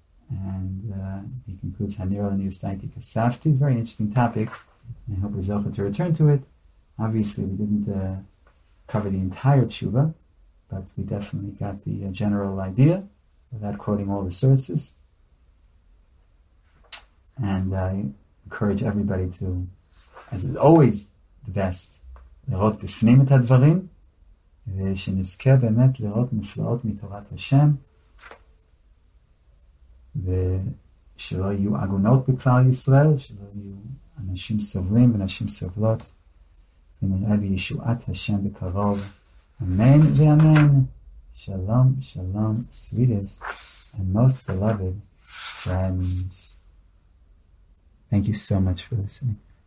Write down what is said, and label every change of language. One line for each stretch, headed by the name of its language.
English: And he concludes Hanira LeNiustaiti Kasafti. Very interesting topic. I hope we're zocheh to return to it. Obviously, we didn't cover the entire tshuva, but we definitely got the general idea without quoting all the sources. And I encourage everybody to, as is always the best,
Hebrew: לראות בפנים את הדברים, ושנזכר באמת לראות נפלאות מתורת השם, ושלא יהיו עגונות בכלל ישראל, שלא יהיו אנשים סובלים ונשים סובלות, ונראה בישועת השם בקרוב. אמן ואמן.
English: Shalom, shalom, sweetest and most beloved friends. Thank you so much for listening.